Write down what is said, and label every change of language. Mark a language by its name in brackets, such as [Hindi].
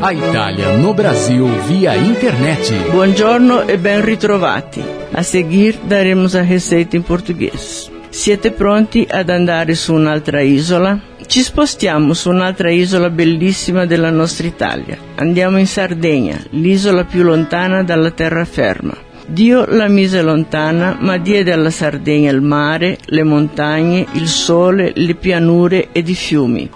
[Portuguese] A Itália no Brasil via internet. [Italian] Buongiorno e ben ritrovati. [Portuguese] A seguir daremos a receita em português. [Italian] Siete pronti ad andare su un'altra isola? Ci spostiamo su un'altra isola bellissima della nostra Italia. Andiamo in Sardegna, l'isola più lontana dalla terraferma. Dio la mise lontana, ma diede alla Sardegna il mare, le montagne, il sole, le pianure ed i fiumi.